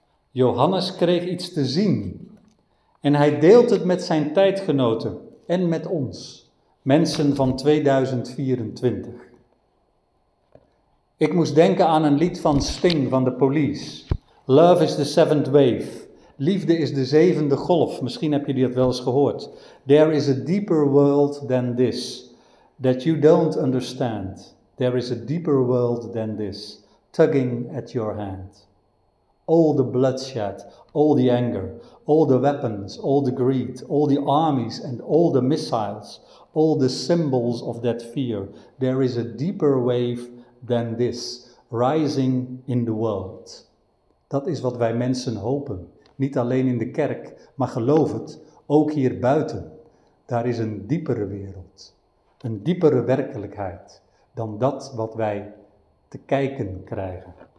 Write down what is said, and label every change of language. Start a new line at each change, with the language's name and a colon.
Dutch: Johannes kreeg iets te zien en hij deelt het met zijn tijdgenoten en met ons, mensen van 2024. Ik moest denken aan een lied van Sting van The Police. Love is the 7th wave. Liefde is de 7e golf. Misschien heb je dat wel eens gehoord.
English: There is a deeper world than this that you don't understand. There is a deeper world than this tugging at your hand. All the bloodshed, all the anger, all the weapons, all the greed, all the armies and all the missiles, all the symbols of that fear. There is a deeper wave than this rising in the world.
Dutch: Dat is wat wij mensen hopen. Niet alleen in de kerk, maar geloof het, ook hier buiten. Daar is een diepere wereld, een diepere werkelijkheid dan dat wat wij te kijken krijgen.